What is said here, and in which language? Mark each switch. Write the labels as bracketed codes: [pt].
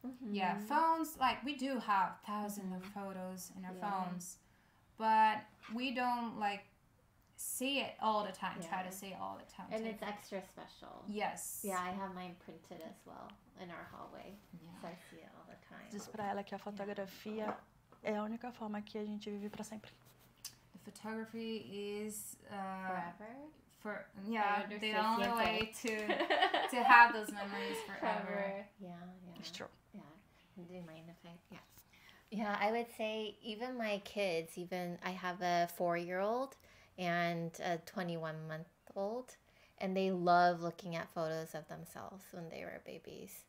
[en] Yeah, phones, like, we do have thousands of photos in our phones, but we don't, like, see it all the time, try to see it all the time. And it's extra special. Yes. Yeah, I have mine printed as well in our hallway. Yeah. So I see it all the time. [pt] Diz pra ela que a fotografia é a única forma que a gente vive pra sempre. [en] The photography is forever. For the only way to have those memories forever. Yeah. It's true. Yeah. Do you mind if I Yeah, I would say even my kids, even I have a 4-year-old and a 21-month-old, and they love looking at photos of themselves when they were babies.